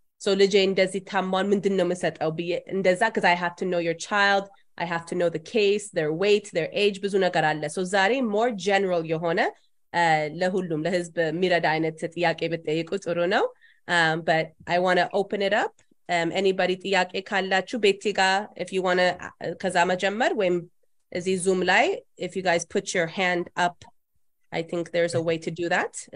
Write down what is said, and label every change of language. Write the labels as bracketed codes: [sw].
[en] So [am] ልጄ እንደዚህ ታሟን ምንድን ነው መሰጠው ብዬ እንደዛ [en] because I have to know your child, I have to know the case, their weight, their age, [am] ብዙ ነገር አለ. So ዛሬ [en] more general [am] የሆነ ለሁሉም ለህዝብ የሚረዳ አይነት ጥያቄ ብትጠይቁ ጥሩ ነው. [en] But I want to open it up. Anybody [am] ጥያቄ ካላችሁ ቤቲ ጋ [en] if you want to [am] ከዛ መጀመር ወይም እዚህ ዙም ላይ [en] if you guys put your hand up, I think there's a way to do that.